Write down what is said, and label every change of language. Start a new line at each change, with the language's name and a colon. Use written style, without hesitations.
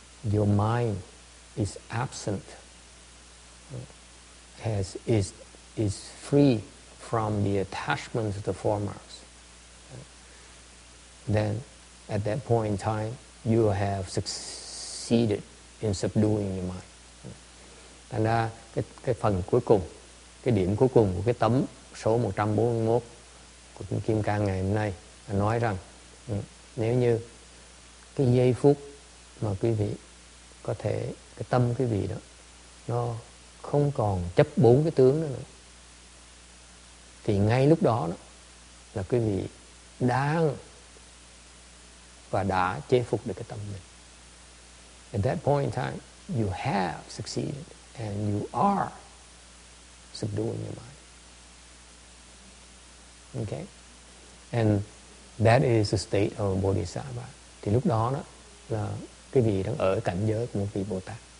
English: your mind is absent, is free from the attachment to the four marks, then at that point in time you have succeeded in subduing your mind.
Vietnamese: Thành ra cái phần cuối cùng, cái điểm cuối cùng của cái tấm số 141 của kinh Kim Cang ngày hôm nay nói rằng nếu như cái giây phút mà quý vị có thể, cái tâm quý vị đó nó không còn chấp bốn cái tướng nữa, thì ngay lúc đó đó là quý vị đang và đã chế phục được cái tâm mình.
English: at that point in time, you have succeeded and you are subduing your mind. Okay? And that is the state of a bodhisattva.
Vietnamese: Thì lúc đó, đó là cái vị đang ở cảnh giới của một vị Bồ Tát.